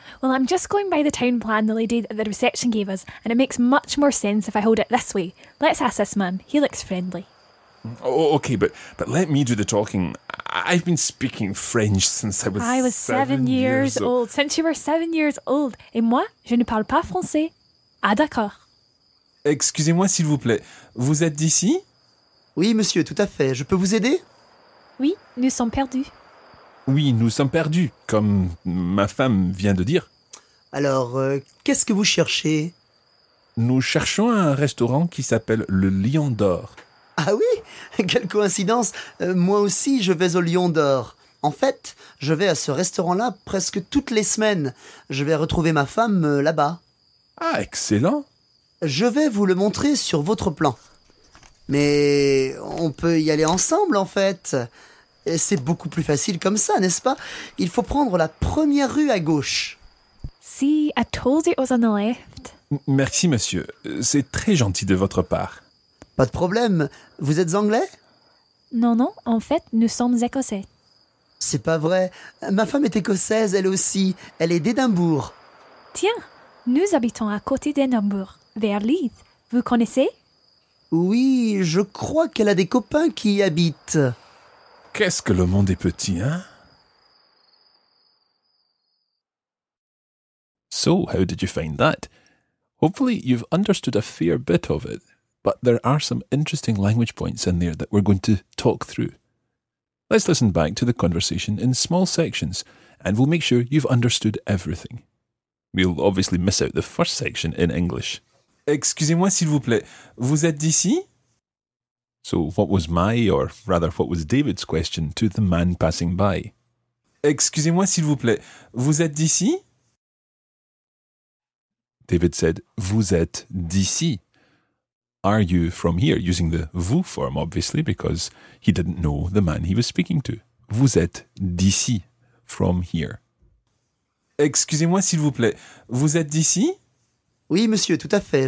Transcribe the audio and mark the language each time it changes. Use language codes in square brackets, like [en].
[en] Well, I'm just going by the town plan the lady at the reception gave us, and it makes much more sense if I hold it this way. Let's ask this man. He looks friendly. Oh, okay, but let me do the talking. I've been speaking French since I was 7 years old. Since you were 7 years old. [fr] Et moi, je ne parle pas français. Ah, d'accord. Excusez-moi, s'il vous plaît. Vous êtes d'ici? Oui, monsieur, tout à fait. Je peux vous aider? Oui, nous sommes perdus. Oui, nous sommes perdus, comme ma femme vient de dire. Alors, qu'est-ce que vous cherchez? Nous cherchons un restaurant qui s'appelle le Lion d'Or. Ah oui? Quelle coïncidence! Moi aussi, je vais au Lion d'Or. En fait, je vais à ce restaurant-là presque toutes les semaines. Je vais retrouver ma femme là-bas. Ah, excellent! Je vais vous le montrer sur votre plan. Mais on peut y aller ensemble, en fait. Et c'est beaucoup plus facile comme ça, n'est-ce pas? Il faut prendre la première rue à gauche. [en] Si, I told you it was on the left. [fr] Merci, monsieur. C'est très gentil de votre part. Pas de problème. Vous êtes anglais? Non, en fait, nous sommes écossais. C'est pas vrai. Ma femme est écossaise, elle aussi. Elle est d'Édimbourg. Tiens, nous habitons à côté d'Édimbourg. Vers Leith, vous connaissez? Oui, je crois qu'elle a des copains qui y habitent. Qu'est-ce que le monde est petit, hein? [en] So, how did you find that? Hopefully, you've understood a fair bit of it, but there are some interesting language points in there that we're going to talk through. Let's listen back to the conversation in small sections, and we'll make sure you've understood everything. We'll obviously miss out the first section in English. [fr] Excusez-moi, s'il vous plaît. Vous êtes d'ici? [en] So what was my, or rather what was David's question to the man passing by? [fr] Excusez-moi, s'il vous plaît. Vous êtes d'ici? [en] David said, [fr] vous êtes d'ici. [en] Are you from here? Using the vous form, obviously, because he didn't know the man he was speaking to. [fr] Vous êtes d'ici, [en] from here. [fr] Excusez-moi, s'il vous plaît. Vous êtes d'ici? Oui, monsieur, tout à fait.